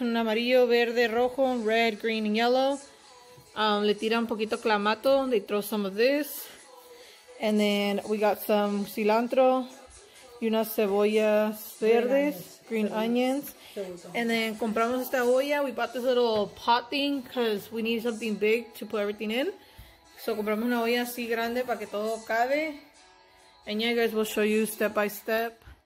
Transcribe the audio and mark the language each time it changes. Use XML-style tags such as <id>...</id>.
<es>Un amarillo, verde, rojo,</es> <en>red, green, and yellow.</en> <es>Le tira un poquito clamato.</es> <en>They throw some of this. And then we got some cilantro.</en> <es>Y unas cebollas verdes,</es> <en>green onions. And then</en> <es>compramos esta olla.</es> <en>We bought this little pot thing because we need something big to put everything in.</en> <es>So, compramos una olla así grande para que todo cabe.</es> <en>And yeah, guys, we'll show you step by step.</en>